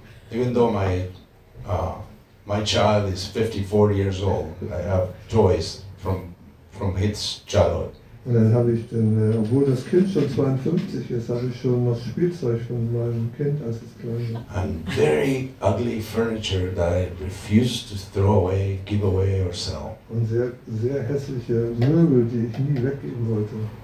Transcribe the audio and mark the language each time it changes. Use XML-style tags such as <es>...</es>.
<en>Even though my child is 54 years old, I have toys from his childhood.</en> <de>Und dann habe ich denn, obwohl das Kind schon 52 ist, habe ich schon noch Spielzeug von meinem Kind, als es klein war.</de> <en>And very ugly furniture that I refuse to throw away, give away or sell.</en> <de>Und sehr, sehr hässliche Möbel, die ich nie weggeben wollte.</de>